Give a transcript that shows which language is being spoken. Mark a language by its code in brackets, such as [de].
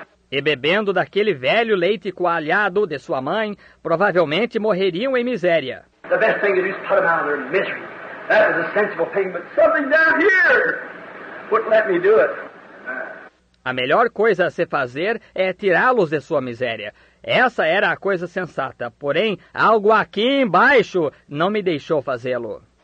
[pt] E bebendo daquele velho leite coalhado de sua mãe, provavelmente morreriam em miséria. [en] The best thing to do is put them out of their misery. That was a sensible thing, but something down here wouldn't let me do it. [pt] A melhor coisa a se fazer é tirá-los de sua miséria. Essa era a coisa sensata, porém, algo aqui embaixo não me deixou fazê-lo.